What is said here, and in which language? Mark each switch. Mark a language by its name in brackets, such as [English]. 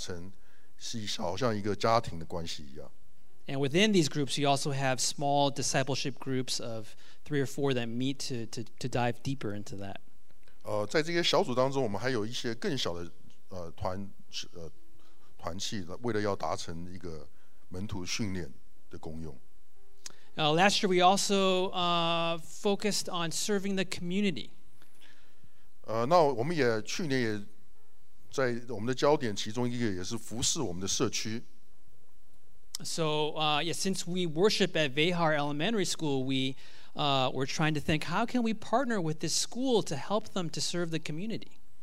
[Chinese] 我们希望在这些团契当中，我们能够建立彼此的关系，能够达成，是好像一个家庭的关系一样。 [English] And within these groups, we also have small discipleship groups of three or four that meet to dive deeper into that. [Chinese] 在这些小组当中，我们还有一些更小的团契，为了要达成一个门徒训练的功用。 [English] Last year, we also focused on serving the community. [Chinese] 那我们也去年也在我们的焦点其中一个也是服侍我们的社区。 [English] So since we worship at Vejar Elementary School, we were trying to think, how can we partner with this school to help them to serve the community?